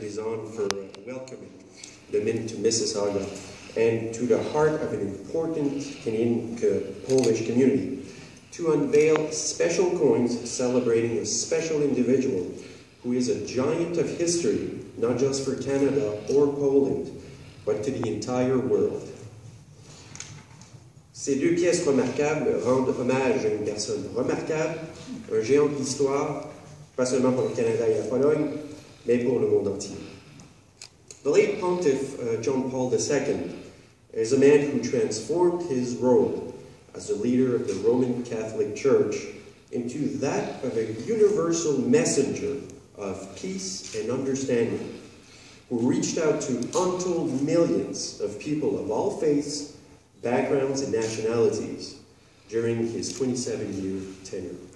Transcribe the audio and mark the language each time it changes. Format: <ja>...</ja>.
<en>Lizon, for welcoming the Mint to Mississauga and to the heart of an important Canadian Polish community to unveil special coins celebrating a special individual who is a giant of history, not just for Canada or Poland, but to the entire world.</en> <fr>Ces deux pièces remarquables rendent hommage à une personne remarquable, un géant de l'histoire, pas seulement pour le Canada et la Pologne, mais pour le monde entier.</fr> <en>The late Pontiff John Paul II is a man who transformed his role as a leader of the Roman Catholic Church into that of a universal messenger of peace and understanding, who reached out to untold millions of people of all faiths, backgrounds, and nationalities during his 27-year tenure.</en>